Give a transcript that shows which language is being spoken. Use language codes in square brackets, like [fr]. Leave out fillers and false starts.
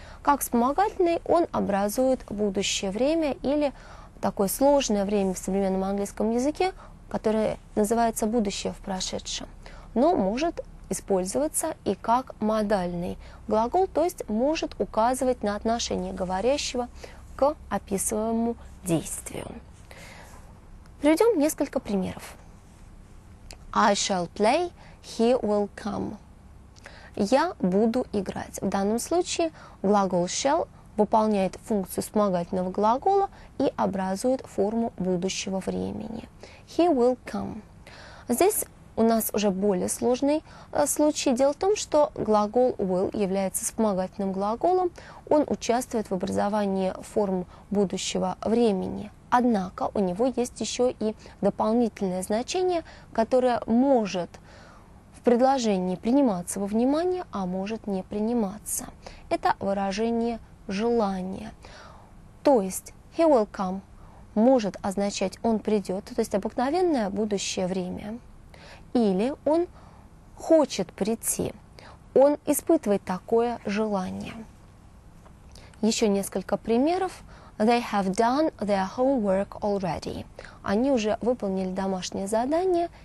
[ru] Как вспомогательный он образует будущее время или такое сложное время в современном английском языке, которое называется будущее в прошедшем, но может использоваться и как модальный глагол, то есть может указывать на отношение говорящего к описываемому действию. Приведем несколько примеров. [en] I shall play, he will come. [ru] Я буду играть. В данном случае глагол shall выполняет функцию вспомогательного глагола и образует форму будущего времени. [en] He will come. [ru] Здесь у нас уже более сложный случай. Дело в том, что глагол will является вспомогательным глаголом. Он участвует в образовании форм будущего времени. Однако у него есть еще и дополнительное значение, которое может в предложении приниматься во внимание, а может не приниматься. Это выражение желания. То есть [en] he will come [ru] может означать он придет, то есть обыкновенное будущее время. Или он хочет прийти, он испытывает такое желание. Еще несколько примеров. [en] They have done their homework already. [ru] Они уже выполнили домашнее задание.